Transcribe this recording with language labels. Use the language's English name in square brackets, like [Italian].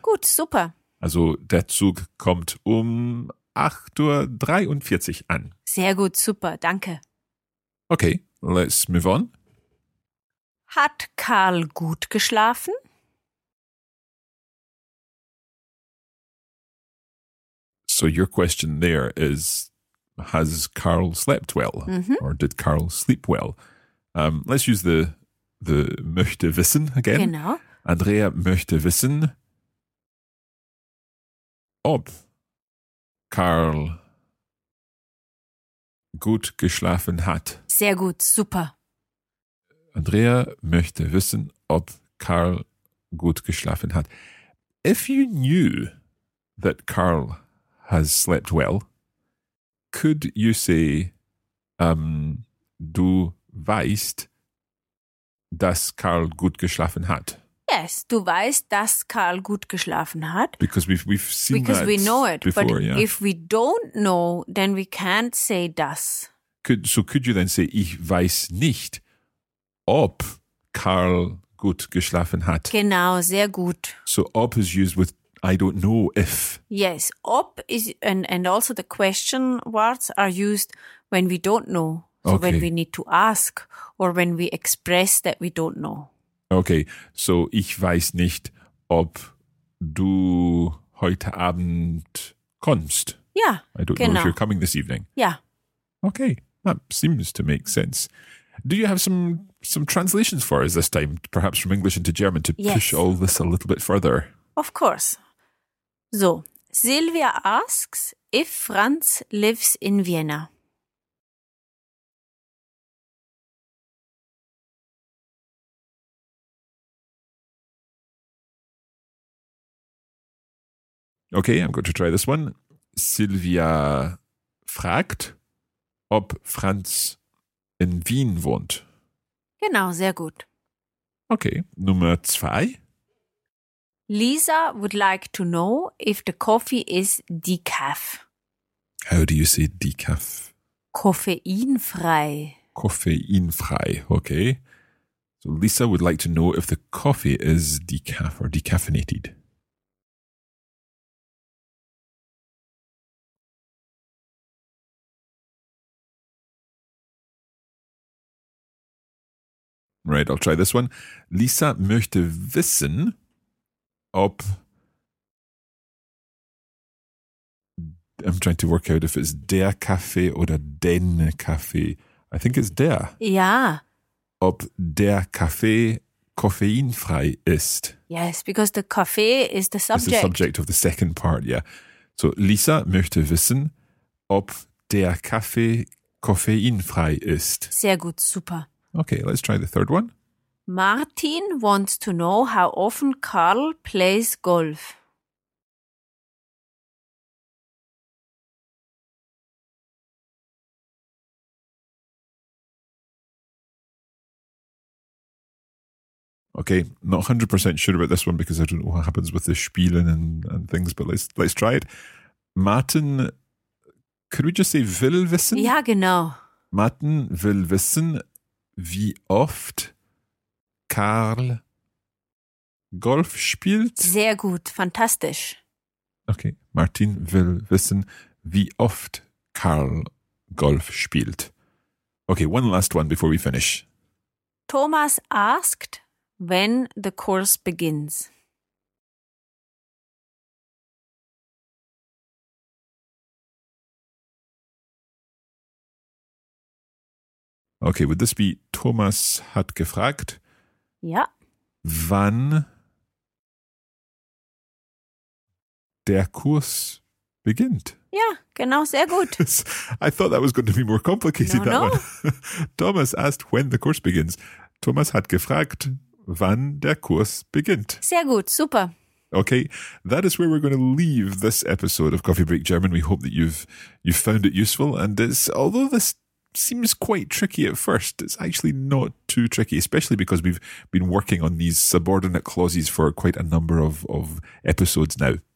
[German] Gut, super. Also der Zug kommt 8.43 Uhr an. Sehr gut, super, danke. [English] Okay. Let's move on. [German] Hat Karl gut geschlafen? [English] So your question there is, has Karl slept well? Mm-hmm. Or did Karl sleep well? Let's use the [German] möchte wissen [English] again. [German] Genau. Andrea möchte wissen, ob Karl gut geschlafen hat. Sehr gut, super. Andrea möchte wissen, ob Karl gut geschlafen hat. [English] If you knew that Karl has slept well, could you say, [German] du weißt, dass Karl gut geschlafen hat? Yes, du weißt, dass Karl gut geschlafen hat. [English] Because we've seen because that we know it before, but yeah. If we don't know, then we can't say das. Could you then say, [German] ich weiß nicht, ob Karl gut geschlafen hat? Genau, sehr gut. [English] So ob is used with I don't know if. Yes, ob is, and also the question words are used when we don't know. So okay. When we need to ask or when we express that we don't know. Okay, so [German] ich weiß nicht, ob du heute Abend kommst. [English] Yeah, I don't know if you're coming this evening. Yeah. Okay, that seems to make sense. Do you have some translations for us this time, perhaps from English into German, to push all this a little bit further? Of course. So, Silvia asks if Franz lives in Vienna. Okay, I'm going to try this one. [German] Silvia fragt, ob Franz in Wien wohnt. Genau, sehr gut. Okay, Nummer zwei. [English] Lisa would like to know if the coffee is decaf. How do you say decaf? [German] Koffeinfrei. Koffeinfrei, okay. [English] So Lisa would like to know if the coffee is decaf or decaffeinated. Right, I'll try this one. Lisa [German] möchte wissen, ob... [English] I'm trying to work out if it's [German] der Kaffee oder den Kaffee. [English] I think it's der. [German] Ja. Ob der Kaffee koffeinfrei ist. [English] Yes, because the Kaffee is the subject. It's the subject of the second part, yeah. [German] So Lisa möchte wissen, ob der Kaffee koffeinfrei ist. Sehr gut, super. [English] Okay, let's try the third one. Martin wants to know how often Karl plays golf. Okay, not 100% sure about this one because I don't know what happens with the spielen and things, but let's try it. Martin, could we just say [German] will wissen? Ja, genau. Martin will wissen, wie oft Karl Golf spielt? Sehr gut, fantastisch. Okay, Martin will wissen, wie oft Karl Golf spielt. [English] Okay, one last one before we finish. Thomas asked when the course begins. Okay, would this be Thomas [German] hat gefragt? Ja. Wann der Kurs beginnt? Ja, genau, sehr gut. [English] I thought that was going to be more complicated, that no. one. Thomas asked when the course begins. [German] Thomas hat gefragt, wann der Kurs beginnt. Sehr gut, super. [English] Okay, that is where we're going to leave this episode of Coffee Break German. We hope that you've found it useful. And it's, although this seems quite tricky at first, it's actually not too tricky, especially because we've been working on these subordinate clauses for quite a number of episodes now.